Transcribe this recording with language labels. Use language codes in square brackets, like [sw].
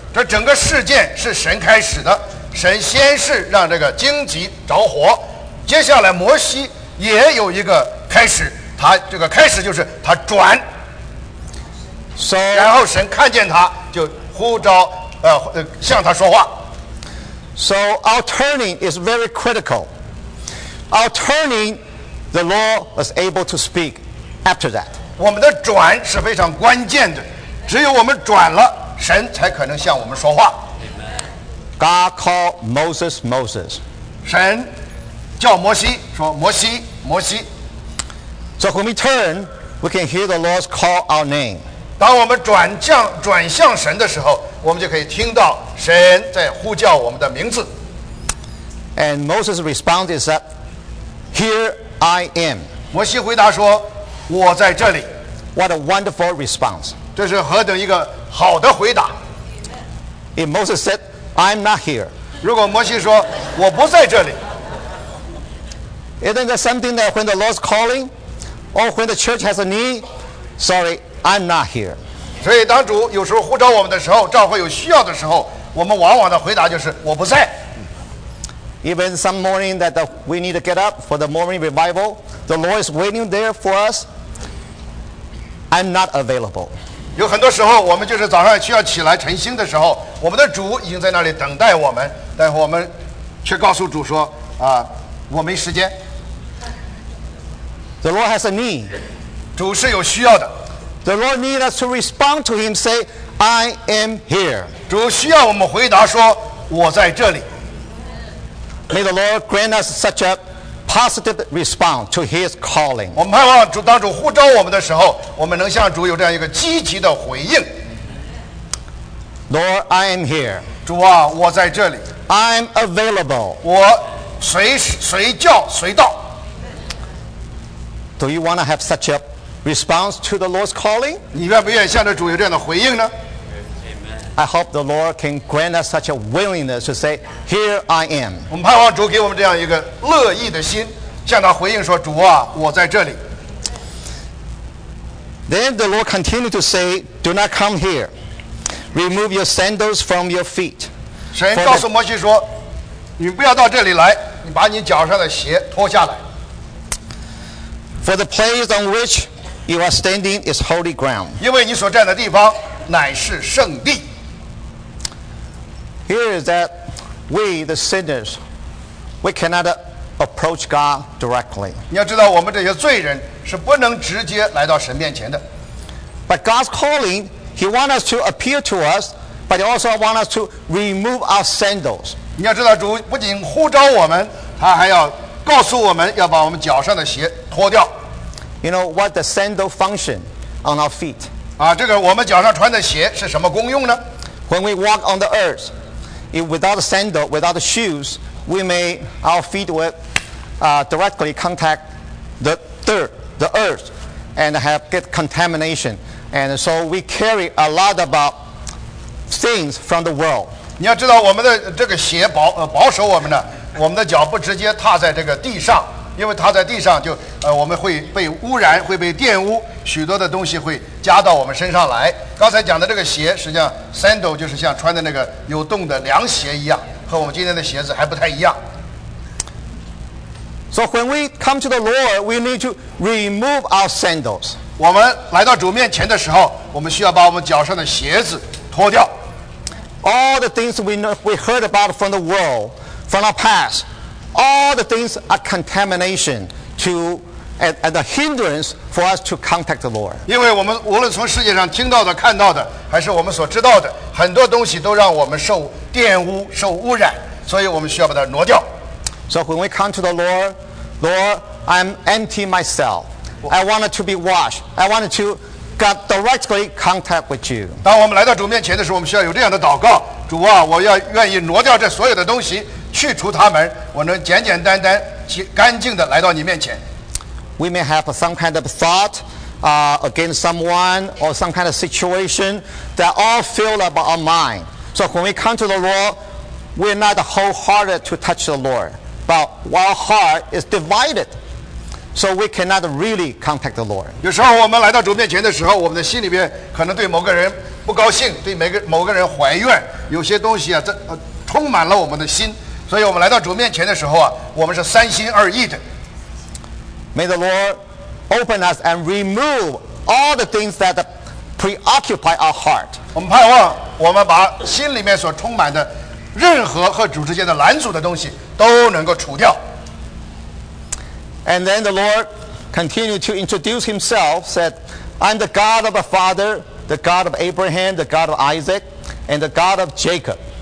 [zh] 这整个事件是神开始的。神先是让这个荆棘着火，接下来摩西也有一个开始，他这个开始就是他转。 [en] So, [zh] 然后神看见他就呼召向他说话。 [en] So our turning is very critical. Our turning, the Lord was able to speak after that. [zh] 我们的转是非常关键的，只有我们转了，神才可能向我们说话。 [en] God called Moses, Moses. [zh] 神叫摩西，说摩西，摩西。 [en] So when we turn, we can hear the Lord call our name. [zh] 当我们转向神的时候，我们就可以听到神在呼叫我们的名字。 [en] And Moses' response is that, "Here I am." [zh] 摩西回答说，我在这里。 [en] What a wonderful response! [zh] 这是何等一个好的回答。 [en] If Moses said. I'm not here. [zh] 如果摩西说我不在这里。 [en] Isn't that something that when the Lord's calling or when the church has a need, sorry, I'm not here. [zh] 所以当主有时候呼召我们的时候，召会有需要的时候，我们往往的回答就是我不在。 [en] Even some morning that we need to get up for the morning revival, the Lord is waiting there for us, I'm not available. [zh] 有很多时候我们就是早上需要起来晨兴的时候，我们的主已经在那里等待我们，但我们却告诉主说啊，我没时间。 [en] The Lord has a need. [zh] 主是有需要的。 [en] The Lord needs us to respond to him, say, I am here. [zh] 主需要我们回答说我在这里。 [en] May the Lord grant us such a positive response to his calling. [zh] 我们盼望主当主呼召我们的时候，我们能向主有这样一个积极的回应。 [en] Lord, I am here. [zh] 主啊，我在这里。 [en] I am available. [zh] 我随叫随到。 [en] Do you want to have such a response to the Lord's calling? [zh] 你愿不愿意向着主有这样的回应呢？ [en] I hope the Lord can grant us such a willingness to say, "Here I am." [zh] 我们盼望主给我们这样一个乐意的心，向他回应说：“主啊，我在这里。” [en] Then the Lord continued to say, "Do not come here. Remove your sandals from your feet." [zh] 神告诉摩西说：“你不要到这里来，你把你脚上的鞋脱下来。” [en] For the place on which you are standing is holy ground. [zh] 因为你所站的地方乃是圣地。 [en] Here is that we, the sinners, we cannot approach God directly. [zh] 你要知道，我们这些罪人是不能直接来到神面前的。 [en] But God's calling, He wants us to appear to us, but He also wants us to remove our sandals. [zh] 你要知道，主不仅呼召我们，他还要告诉我们要把我们脚上的鞋脱掉。 [en] You know what the sandal function on our feet? [zh] 啊，这个我们脚上穿的鞋是什么功用呢？ [en] When we walk on the earth. If without a sandal, without a shoes, we may our feet will directly contact the dirt, the earth, and have get contamination. And so we carry a lot about things from the world. [zh] 你要知道我们的这个鞋保守我们的，我们的脚不直接踏在这个地上，因为踏在地上就我们会被污染，会被玷污，许多的东西会加到我们身上来。刚才讲的这个鞋，实际上 sandal 就是像穿的那个有洞的凉鞋一样，和我们今天的鞋子还不太一样。 [en] So when we come to the Lord, we need to remove our sandals. [zh] 我们来到主面前的时候，我们需要把我们脚上的鞋子脱掉。 [en] All the things we heard about from the world, from our past, all the things are contamination to. And a hindrance for us to contact the Lord. [zh] 因为我们无论从世界上听到的、看到的，还是我们所知道的，很多东西都让我们受玷污、受污染，所以我们需要把它挪掉。 [en] So when we come to the Lord, Lord, I'm empty myself. I wanted to be washed. I wanted to get directly contact with you. [zh] 当我们来到主面前的时候，我们需要有这样的祷告：主啊，我要愿意挪掉这所有的东西，去除它们，我能简简单单、干净的来到你面前。 [en] We may have some kind of thought against someone or some kind of situation that all fill up our mind. So when we come to the Lord, we're not wholehearted to touch the Lord. But our heart is divided. So we cannot really contact the Lord. [zh] 有时候我们来到主面前的时候，我们的心里面可能对某个人不高兴，对某个人怀怨，有些东西啊，这充满了我们的心。所以我们来到主面前的时候啊，我们是三心二意的。 [en] May the Lord open us and remove all the things that preoccupy our heart. [zh] 我们盼望我们把心里面所充满的任何和主之间的拦阻的东西都能够除掉。 [en] And then the Lord continued to introduce himself, said, I'm the God of the Father, the God of Abraham, the God of Isaac, and the God of Jacob.